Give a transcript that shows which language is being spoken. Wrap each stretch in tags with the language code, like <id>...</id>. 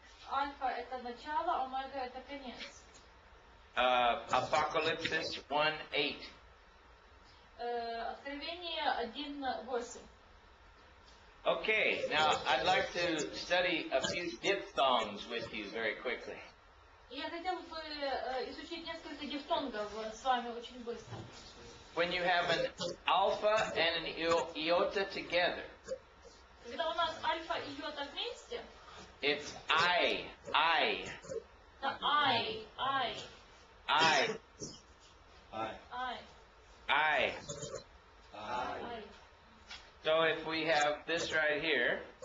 <ru>Alpha – это начало, Omega – это конец.</ru> <en>Apocalypse 1:8.</en> <ru>Откровение 1:8.</ru> <en>Okay, now I'd like to study a few diphthongs with you very quickly.</en> <ru>Я хотел бы изучить несколько дифтонгов с вами очень быстро.</ru> <en>When you have an alpha and an iota together,</en> <ru>когда у нас альфа и йота вместе,</ru> <en>it's I, I. The I, I. I. I. I. I. I. So if we have this right here,</en>